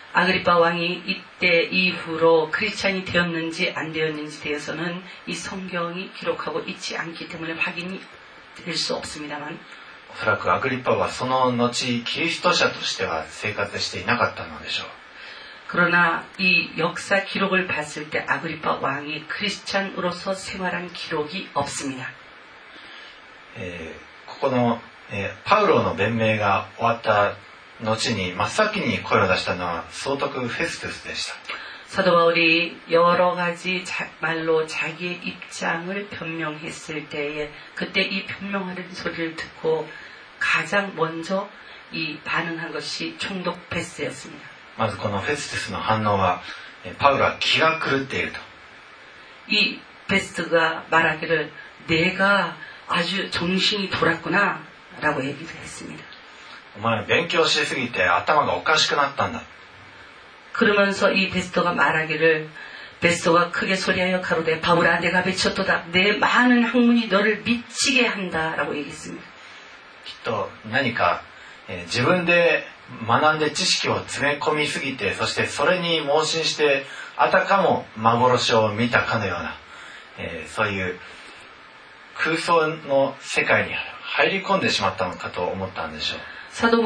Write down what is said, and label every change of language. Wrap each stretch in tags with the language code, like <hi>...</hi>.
<ko>아그리파왕이이때이후로크리스찬이되었는지안되었는지대해서는이성경이기록하고있지않기때문에확인이될수없습니다만、</ko> <ja>おそらくアグリッパはその後キリスト者としては生活していなかったのでしょう。</ja> <ko>그러나이역사기록을봤을때아그리파왕이크리스찬으로서생활한기록이없습니다</ko> <ja>ここの、パウロの弁明が終わった後に真っ先に声を出したのは総督フェストゥスでした。</ja> <ko>사도바울이여러가지말로자기의입장을변명했을때에그때이변명하는소리를듣고가장먼저이반응한것이총독페스였습니다</ko> <ja>まずこのフェストゥスの反応はパウロは気が狂っていると</ja> <ko>이페스트가말하기를내가아주정신이돌았구나라고얘기를했습니다</ko> <ja>お前勉強しすぎて頭がおかしくなったんだ</ja> <ko>그러면서이베스토가말하기를베스토가크게소리하여가로대바울아내가미쳤도다내많은학문이너를미치게한다라고얘기했습니다</ko> <ja>きっと何か自分で学んで知識を詰め込みすぎてそしてそれに盲信してあたかも幻を見たかのようなそういう空想の世界に入り込んでしまったのかと思ったんでしょう</ja>